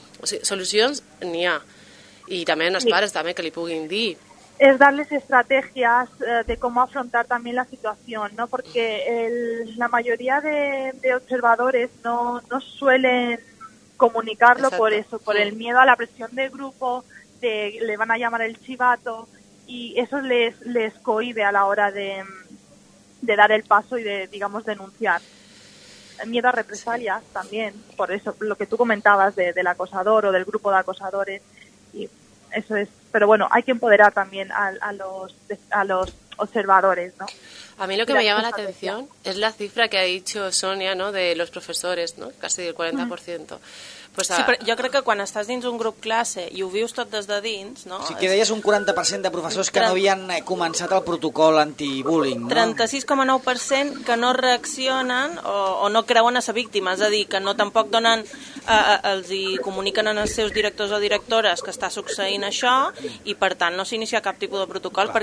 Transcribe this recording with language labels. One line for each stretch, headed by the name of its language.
Catalan: O sigui, solucions n'hi ha. I també els pares també que li puguin dir.
Spanish: Es darles estrategias de cómo afrontar también la situación, ¿no? Porque la mayoría de observadores no suelen comunicarlo. Exacto. Por eso, por el miedo a la presión del grupo, de le van a llamar el chivato, y eso les cohíbe a la hora de dar el paso y de, digamos, denunciar. El miedo a represalias también, por eso, lo que tú comentabas del acosador o del grupo de acosadores, y eso es. Pero bueno, hay que empoderar también a los observadores, ¿no? A mí lo que me llama la atención es la cifra que ha dicho Sonia, ¿no?, de los profesores, ¿no?, casi el 40%. Pues sí,
Catalan: però jo crec que quan estàs dins un grup classe i ho vius tot des de dins... No? Sí, que deies un 40% de professors que no havien començat el protocol anti-bullying. No? 36,9% que no reaccionen o no creuen a la víctima, és a dir, que no tampoc donen, els hi comuniquen als seus directors o directores que està succeint això, i per tant no s'inicia cap tipus de protocol. Clar.